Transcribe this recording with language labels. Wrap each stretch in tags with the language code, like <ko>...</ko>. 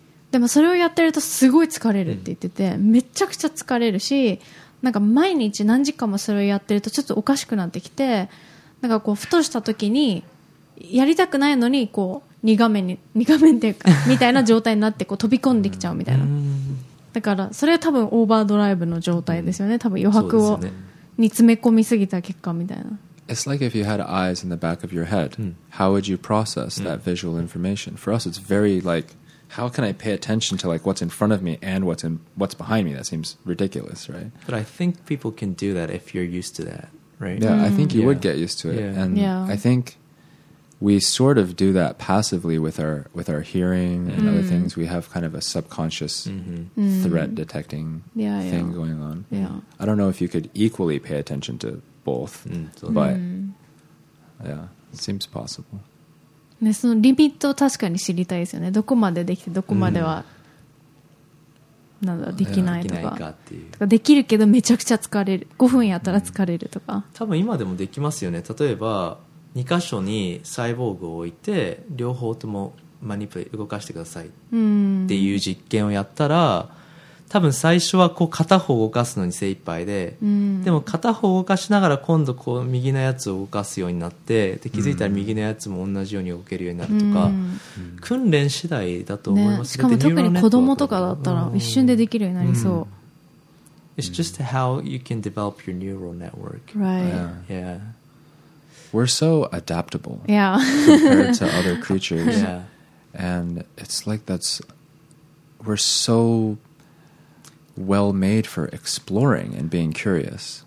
<ja>でもそれをやってるとすごい疲れるって言ってて、mm. めちゃくちゃ疲れるしなんか毎日何時間もそれをやってるとちょっとおかしくなってきてなんかこうふとした時にやりたくないのにこう二画面っていうかみたいな状態になってこう飛び込んできちゃうみたいな。だからそれは多分オーバードライブの状態ですよね。多分余白を煮詰め込みすぎた結果みたいな。</ja> <en>It's like if you had eyes in the back of your head, how would you process that visual information? For us, it's very like, how can I pay attention to like what's in front of me and what's behind me? That seems ridiculous, right? But I think people can do that if you're used to that, right? Yeah, I think you would get used to it, and I think we sort of do that passively with our hearing and mm. other things. We have kind of a subconscious mm-hmm. threat detecting thing going on. Yeah. I don't know if you could equally pay attention to both, but it seems possible.</en> <ja>ね、そのリミットを確かに知りたいですよね。どこまでできて、どこまでは、なんだ、できないとか。できないかっていう。とかできるけどめちゃくちゃ疲れる。5分やったら疲れるとか。多分今でもできますよね。例えば、2箇所にサイボーグを置いて両方ともマニプレ動かしてくださいっていう実験をやったら多分最初はこう片方動かすのに精一杯で、うん、でも片方動かしながら今度こう右のやつを動かすようになってで気づいたら右のやつも同じように動けるようになるとか、うん、訓練次第だと思います、ね、しかも特に子供とかだったら一瞬でできるようになりそう、</ja> <en>うん、It's just how you can develop your neural network Right Yeah we're so adaptable. Yeah. compared to other creatures. Yeah. And it's like that's, we're so well made for exploring and being curious.</en>